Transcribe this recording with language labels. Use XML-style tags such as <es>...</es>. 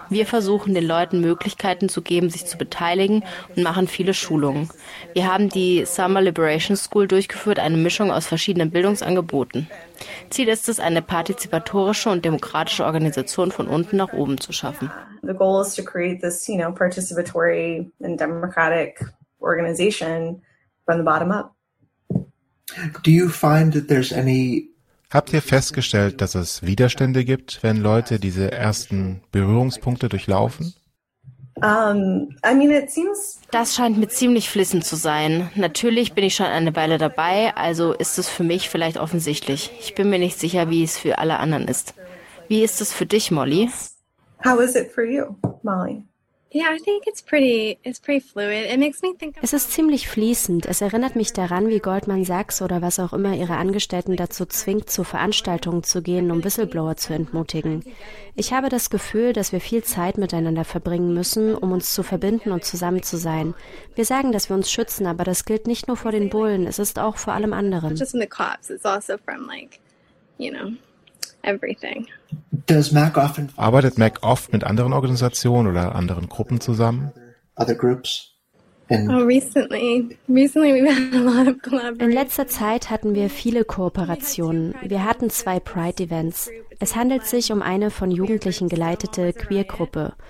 <de>Wir versuchen, den Leuten Möglichkeiten zu geben, sich zu beteiligen und machen viele Schulungen. Wir haben die Summer Liberation School durchgeführt, eine Mischung aus verschiedenen Bildungsangeboten. Ziel ist es, eine partizipatorische und demokratische Organisation von unten nach oben zu schaffen.</de> <en>The goal is to create this, you know, participatory and democratic organization from the bottom up. Do you find that there's any?</en> <de>Habt ihr festgestellt, dass es Widerstände gibt, wenn Leute diese ersten Berührungspunkte durchlaufen? Das scheint mir ziemlich fließend zu sein. Natürlich bin ich schon eine Weile dabei, also ist es für mich vielleicht offensichtlich. Ich bin mir nicht sicher, wie es für alle anderen ist. Wie ist es für dich, Molly?</de> <en>How is it for you, Molly? Yeah, I think it's pretty fluid. It makes me think.</en> <de>Es ist ziemlich fließend. Es erinnert mich daran, wie Goldman Sachs oder was auch immer ihre Angestellten dazu zwingt, zu Veranstaltungen zu gehen, um Whistleblower zu entmutigen. Ich habe das Gefühl, dass wir viel Zeit miteinander verbringen müssen, um uns zu verbinden und zusammen zu sein. Wir sagen, dass wir uns schützen, aber das gilt nicht nur vor den Bullen, es ist auch vor allem anderen.</de> <en>Just from the cops, it's also from, like, you know, everything. Does MAC often</en> <de>arbeitet MAC oft mit anderen Organisationen oder anderen Gruppen zusammen?</de> <en>Other groups? Recently we've had a lot of collaborations.</en> <de>In letzter Zeit hatten wir viele Kooperationen. Wir hatten zwei Pride-Events. Es handelt sich um eine von Jugendlichen geleitete Queer-Gruppe.</de>